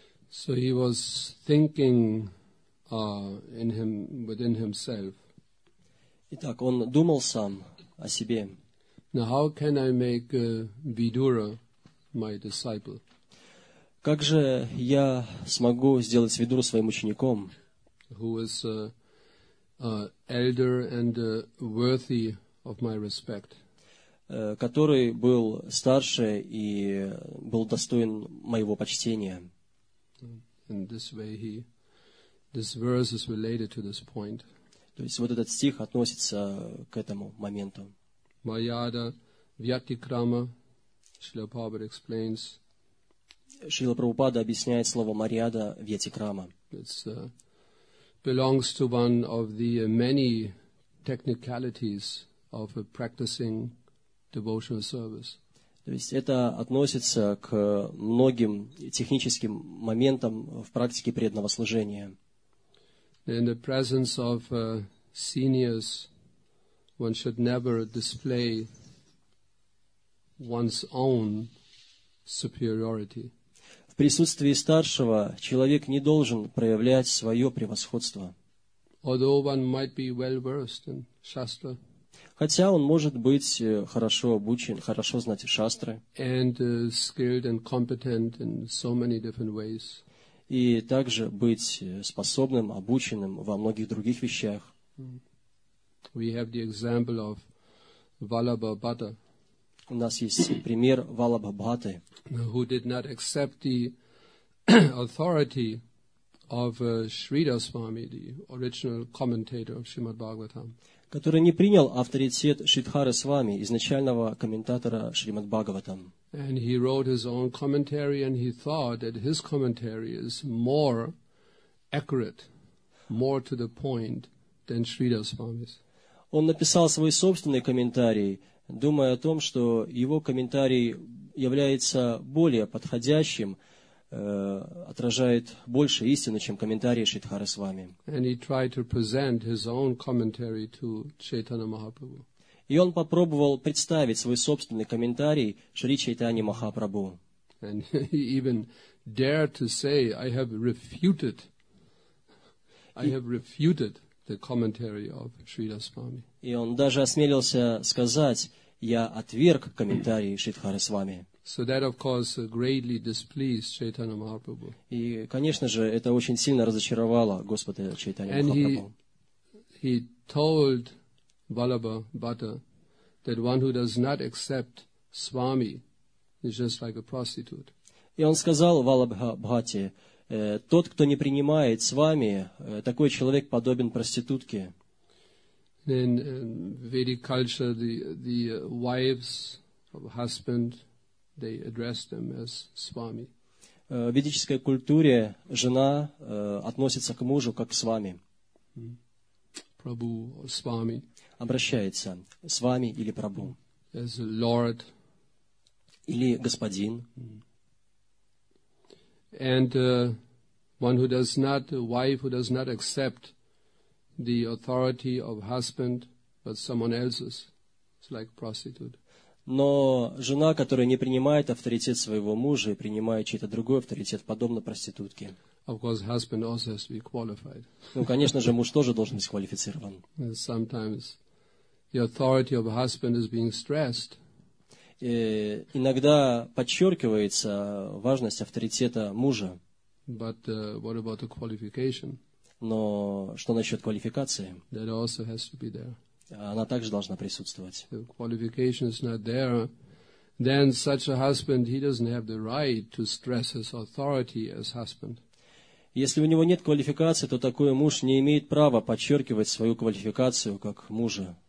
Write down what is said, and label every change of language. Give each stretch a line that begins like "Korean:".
English: So he was thinking in him, within himself.
Russian: Итак, он думал сам о себе.
English: Now how can I make Vidura my disciple?
Russian: Как же я смогу сделать Видуру своим учеником?
English: Who is elder and worthy of my respect?
Russian: Который был старше и был достоин моего почтения.
English: In this way, this verse is related to this point.
Russian: То есть вот этот стих относится к этому моменту.
English: Майяда Вьятикрама, Шрила Прабхупада explains.
Russian: Шрила Прабхупада объясняет слово Марьяда Вьятикрама.
English: It's belongs to one of the many technicalities of practicing devotional service.
Russian: То есть это относится к многим техническим моментам в практике преданного служения.
English: In the presence of seniors, one should never display one's own superiority.
Russian: В присутствии старшего человек не должен проявлять свое превосходство.
English: Although one might be well versed in shastra.
Russian: Хотя он может быть хорошо обучен, хорошо знать шастры.
English: And skilled and competent in so many different ways.
Russian: И также быть способным, обученным во многих других вещах.
English: We have the example of Vallabha Bhatta.
Russian: У нас есть пример Vallabha Bhatta,
English: who did not accept the authority of Sridhar Swami, the original commentator of Srimad Bhagavatam.
Russian: Который не принял авторитет Шридхары Свами, изначального комментатора Шримад Бхагаватам.
English: And he wrote his own commentary, and he thought that his commentary is more accurate, more to the point than Sridhar Swami's.
Russian: Он написал свой собственный комментарий, думая о том, что его комментарий является более подходящим, отражает больше истины, чем комментарии Шридхары Свами.
English: And he tried to present his own commentary to Chaitanya Mahaprabhu.
Russian: И он попробовал представить свой собственный комментарий Шри Чайтанье Махапрабху.
English: And he even dared to say, I have refuted the commentary of Sridhar Swami.
Russian: И он даже осмелился сказать, я отверг комментарий Шридхары Свами.
English: So that, of course, greatly displeased Chaitanya Mahaprabhu.
Russian: И, конечно же, это очень сильно разочаровало Господа Чайтанья Махапрабху.
English: And he told Vallabha Bhatta that one who does not accept Swami is just like a prostitute.
Russian: И он сказал Vallabha Bhatte, тот, кто не принимает Свами, такой человек подобен проститутке.
English: In Vedic culture, the wives of husband, they address them as Swami.
Russian: В ведической культуре жена относится к мужу как к Свами. Прабу, Свами. Обращается Свами или Прабу.
English: As Lord.
Russian: Или Господин.
English: And one who does not, a wife who does not accept the authority of husband, but someone else's, it's like prostitute.
Russian: Но жена, которая не принимает авторитет своего мужа и принимает чей-то другой авторитет, подобно проститутке.
English: Of course, husband also has to be qualified.
Russian: Ну, конечно же, муж тоже должен быть квалифицирован.
English: Sometimes the authority of husband is being stressed.
Russian: Иногда подчеркивается важность авторитета мужа.
English: But what about the qualification?
Russian: Но что насчет квалификации?
English: That also has to be there.
Russian: Она также должна присутствовать.
English: If qualification is not there, then such a husband, he doesn't have the right to stress his authority as husband.
Russian: Если у него нет квалификации, то такой муж не имеет права подчеркивать свою квалификацию как мужа.